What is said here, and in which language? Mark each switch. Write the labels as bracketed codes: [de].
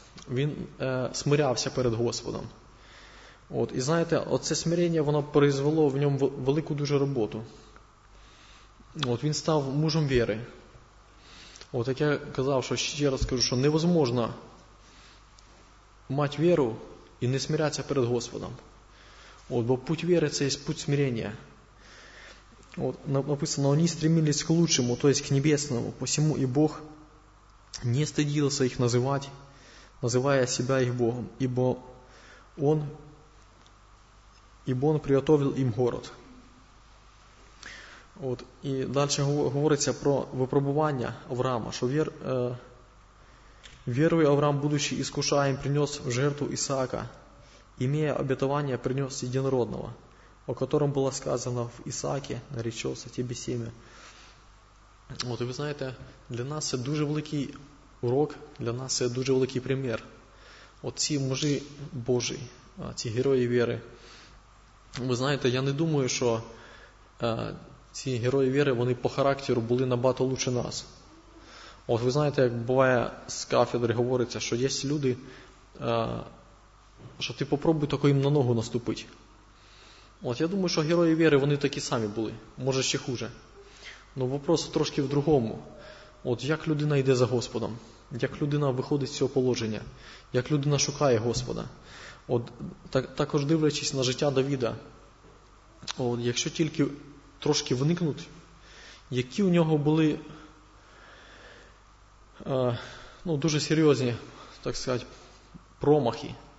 [uk] Він смирявся перед Господом. От, і знаєте, оце смирення, воно призвело в ньому велику дуже роботу. От, він став мужем віри. От, як я казав, що ще раз кажу, що невозможно мати віру і не смиряться перед Господом. От, бо путь віри – це є путь смирення. [ru] От, написано, вони стремились к лучшому, то есть к небесному, посему і Бог не стыдился [uk] їх називати, називає [ru] себя їх Богом, ибо он приготовил їм город. [uk] От, і далі говориться про випробування Авраама, що [ru] Верою Авраам, будучи искушаем, принес в жертву Исаака, имея обетование, принес единородного, о котором было сказано в Исааке, наречется тебе семя. Вот, и вы знаете, для нас это дуже великий урок, для нас это дуже великий пример. [uk] Вот ці мужи Божі, ці герої віри. Ви знаєте, я не думаю, що ці герої віри, вони по характеру були набагато лучше нас. От ви знаєте, як буває з кафедри говориться, що є люди, що ти попробуй тако їм на ногу наступити. От я думаю, що герої віри, вони такі самі були, може ще хуже. Ну, вопрос трошки в другому. От як людина йде за Господом? Як людина виходить з цього положення? Як людина шукає Господа? От також дивлячись на життя Давіда, от, якщо тільки трошки вникнуть, які у нього були ну, дуже серйозні, так сказати, промахи.